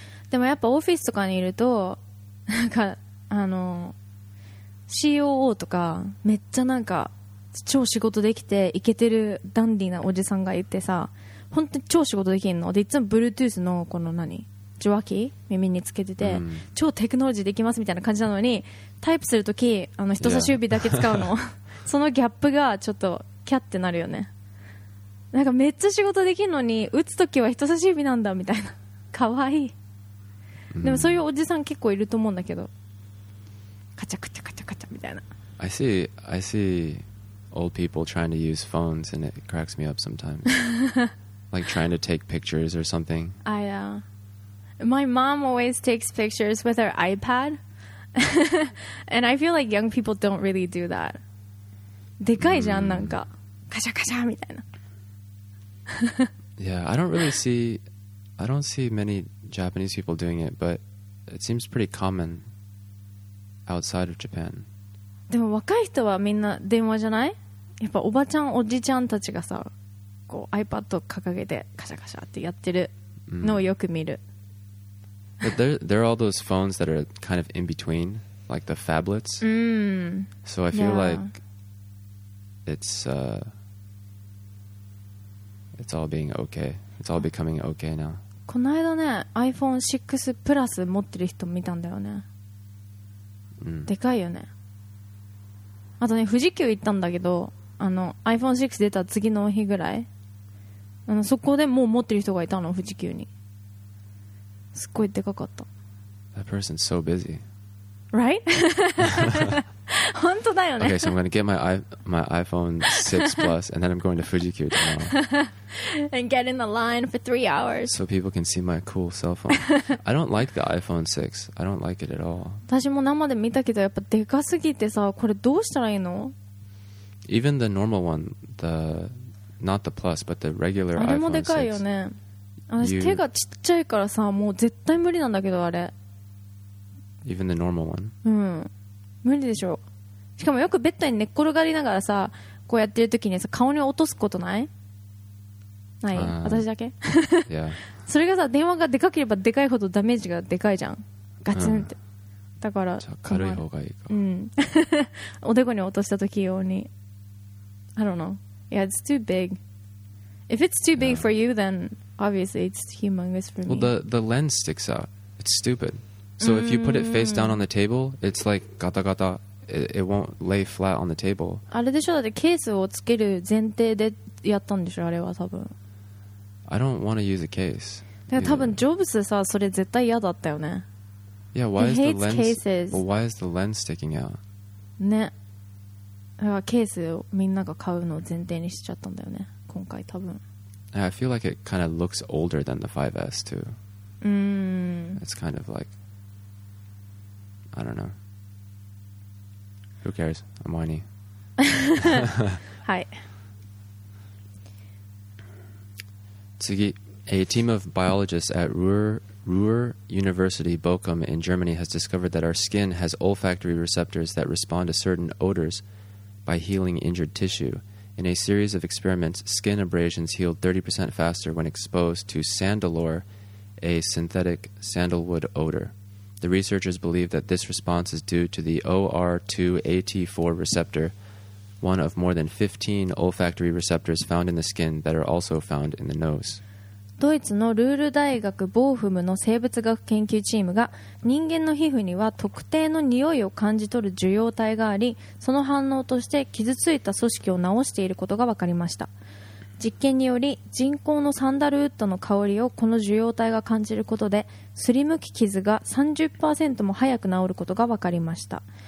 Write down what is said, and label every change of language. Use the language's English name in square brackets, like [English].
[Japanese] でもやっぱオフィスとかにいるとなんかあの COO とかめっちゃなんか超仕事できてイケてるダンディなおじさんがいてさ、本当に超仕事できんので、いつも Bluetooth のこの何受話器耳につけてて、mm. 超テクノロジーできますみたいな感じなのに、タイプするときあの人差し指だけ使うの、yeah. そのギャップがちょっとキャってなるよね。なんかめっちゃ仕事できるのに打つときは人差し指なんだみたいな、かわいい、mm. でもそういうおじさん結構いると思うんだけど、カチャカチャカチャカチャみたいな。 [English] I see old people trying to use phones and it cracks me up sometimes. Like trying to take pictures or something. My mom always takes pictures with her iPad. And I feel like young people don't really do that. [Japanese] でかいじゃん、なんか。カシャカシャみたいな。 [English] Yeah, I don't see many Japanese people doing it, but it seems pretty common outside of Japan. [Japanese] でも若い人はみんな電話じゃない？やっぱおばちゃん、おじちゃんたちがさ、こう iPad 掲げてカシャカシャってやってるのをよく見る。 Mm. [English] But there are all those phones that are kind of in between, like the phablets. Mm, so I feel like it's all being okay. It's all becoming okay now. [Japanese] この間ね、iPhone 6 Plus 持ってる人見たんだよね。でかいよね。あとね、富士急行ったんだけど、あの iPhone 6出た次の日ぐらい、あのそこでもう持ってる人がいたの、富士急に。すっごいでかかった。 [English] That person's so busy. Right? [Japanese] 本当だよね。 [English] Okay, so I'm going to get my iPhone 6 Plus and then I'm going to Fuji-Q tomorrow. And get in the line for 3 hours. So people can see my cool cell phone. I don't like the iPhone 6. I don't like it at all. [Japanese] 私も生で見たけどやっぱでかすぎてさ、これどうしたらいいの？ [English] Even the normal one, not the Plus, but the regular iPhone 6. [Japanese] あれもでかいよね。私手がちっちゃいからさ、もう絶対無理なんだけど、あれ。 [English] Even the normal one. [Japanese] うん、無理でしょ。しかもよくベッドに寝っ転がりながらさ、こうやってる時にさ、顔に落とすことない？ない？私だけ？それがさ、電話がでかければでかいほどダメージがでかいじゃん、ガツンって、うん、だからじゃ軽い方がいいか、うん、おでこに落とした時用に。 [English] I don't know. Yeah, it's too big. If it's too big for you, thenObviously, it's humongous for me. Well, the lens sticks out. It's stupid. So if you put it face down on the table, it's like gata gata. It won't lay flat on the table. [Japanese] あれでしょ？だってケースをつける前提でやったんでしょ？あれは多分。 [English] I don't want to use a case. [Japanese] だから多分ジョブスさ、それ絶対嫌だったよね。 [English] Yeah, why is the lens? He hates cases. Well, why is the lens sticking out? [Japanese] ね。だからケースをみんなが買うのを前提にしちゃったんだよね。今回多分。 [English] I feel like it kind of looks older than the 5S too. It's kind of like, I don't know. Who cares? I'm whiny. Hi. [Japanese] 次, [English] a team of biologists at Ruhr University Bochum in Germany has discovered that our skin has olfactory receptors that respond to certain odors by healing injured tissue. In a series of experiments, skin abrasions healed 30% faster when exposed to sandalore, a synthetic sandalwood odor. The researchers believe that this response is due to the OR2AT4 receptor, one of more than 15 olfactory receptors found in the skin that are also found in the nose. [Japanese] ドイツのルール大学ボーフムの生物学研究チームが、人間の皮膚には特定の匂いを感じ取る受容体があり、その反応として傷ついた組織を治していることが分かりました。実験により、人工のサンダルウッドの香りをこの受容体が感じることで、すりむき傷が 30% も早く治ることが分かりました。